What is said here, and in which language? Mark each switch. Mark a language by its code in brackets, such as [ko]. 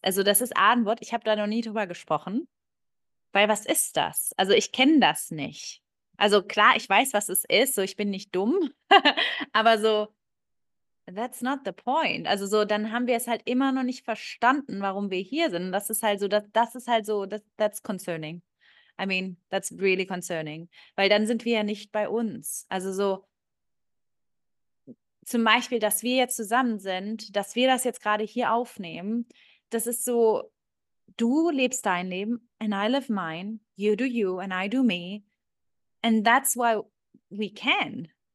[de] Also das ist ein Wort, ich habe da noch nie drüber gesprochen, weil was ist das? Also ich kenne das nicht. Also klar, ich weiß, was es ist, so ich bin nicht dumm, aber so, [en] that's not the point. [de] Also so, dann haben wir es halt immer noch nicht verstanden, warum wir hier sind. Das ist halt so, [en] that's concerning. I mean, that's really concerning. [de] Weil dann sind wir ja nicht bei uns. Also so, zum Beispiel, dass wir jetzt zusammen sind, dass wir das jetzt gerade hier aufnehmen, das ist so, du lebst dein Leben [en] and I live mine, you do you and I do me and that's why we can.